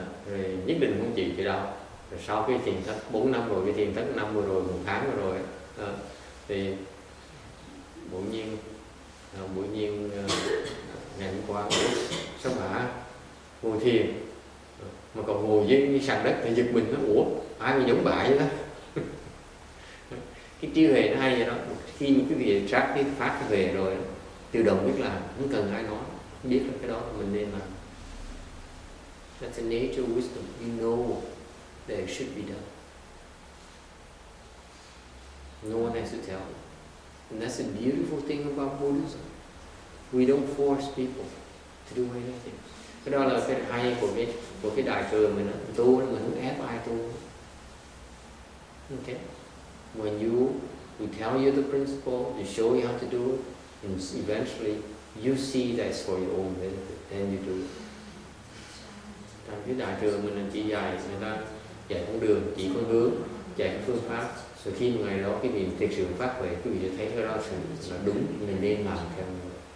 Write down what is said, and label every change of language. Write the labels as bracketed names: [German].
[Vietnamese] Rồi nhất định không chịu đâu. Rồi sau cái thiền thất 4 năm rồi, cái thiền thất 5 vừa rồi, 1 tháng vừa rồi, thì bỗng nhiên ngày hôm qua sao mà ngồi thiền mà còn ngồi dưới sàn đất thì giật mình, nó ủa ai mà giống bại vậy đó. Cái trí huệ nó hay vậy đó, khi những cái việc trác cái pháp về rồi tự động biết là không cần ai nói, biết là cái đó mình nên làm. [English] That's the nature of wisdom, you know that it should be done. No one has to tell you. And that's the beautiful thing about Buddhism. We don't force people to do anything. [Vietnamese] Cái đó là cái hay của cái đại thừa mình đó, tu là mình không ép ai tu. [English] Okay. When we tell you the principle, we show you how to do it, and eventually you see that it's for your own benefit, then you do it. [Vietnamese] Trong cái đại thừa mình là chỉ dạy người ta dạy con đường, chỉ con hướng, dạy phương pháp. Rồi khi một ngày đó cái niệm thực sự phát huệ, quý vị sẽ thấy cái đó là đúng, mình nên làm theo người.